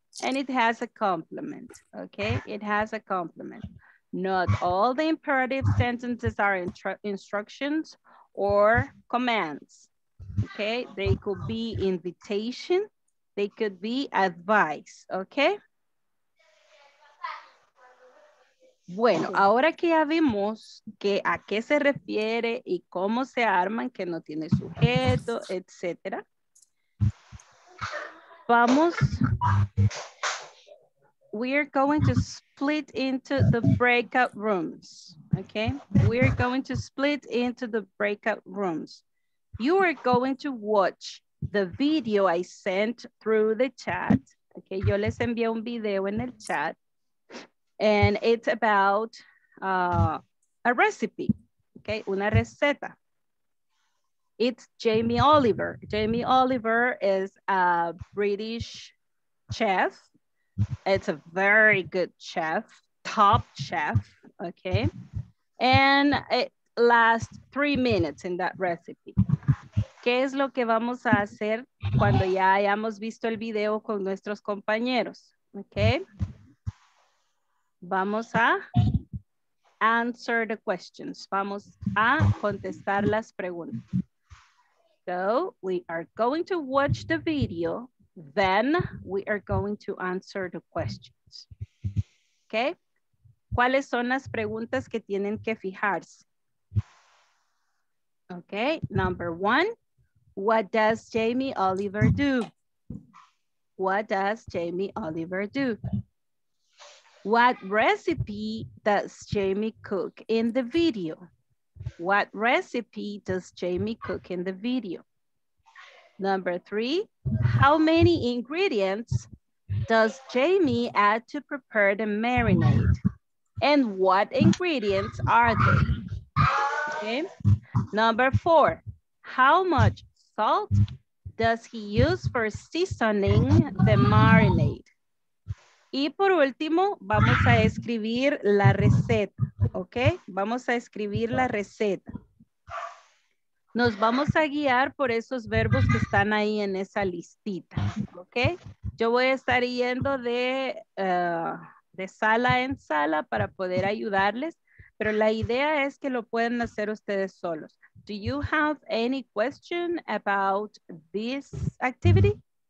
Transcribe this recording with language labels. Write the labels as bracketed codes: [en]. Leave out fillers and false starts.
[en] And it has a complement, okay? It has a complement. Not all the imperative sentences are instructions or commands, okay? They could be invitation, they could be advice, okay? [es] Bueno, ahora que ya vimos que a qué se refiere y cómo se arman, que no tiene sujeto, etc. Vamos. [en] We're going to split into the breakout rooms, okay? We're going to split into the breakout rooms. You are going to watch the video I sent through the chat, okay? [es] Yo les envié un video en el chat, and it's about a recipe, okay? Una receta. [en] It's Jamie Oliver. Jamie Oliver is a British chef. It's a very good chef, top chef, okay? And it lasts 3 minutes in that recipe. [es] ¿Qué es lo que vamos a hacer cuando ya hayamos visto el video con nuestros compañeros? [en] Okay? Vamos a answer the questions. [es] Vamos a contestar las preguntas. [en] So we are going to watch the video. Then we are going to answer the questions. [es] Okay? ¿Cuáles son las preguntas que tienen que fijarse? [en] Okay, number one, what does Jamie Oliver do? What does Jamie Oliver do? What recipe does Jamie cook in the video? What recipe does Jamie cook in the video? Number three, how many ingredients does Jamie add to prepare the marinade? And what ingredients are they? Okay. Number four, how much salt does he use for seasoning the marinade? [es] Y por último, vamos a escribir la receta, ¿ok? Vamos a escribir la receta. Nos vamos a guiar por esos verbos que están ahí en esa listita, ¿ok? Yo voy a estar yendo de sala en sala para poder ayudarles, pero la idea es que lo pueden hacer ustedes solos. [en] Do you have any question about this activity?